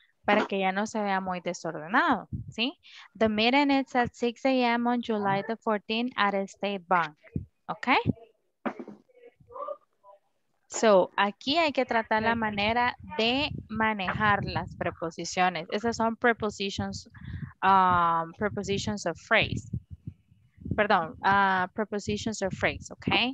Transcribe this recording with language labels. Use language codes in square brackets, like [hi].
[es] Para que ya no se vea muy desordenado, ¿sí? [en] The meeting is at 6 a.m. on July the 14th at a state bank. [es] ¿Ok? So, aquí hay que tratar la manera de manejar las preposiciones. Esas son [en] prepositions of phrase, [es] ¿ok?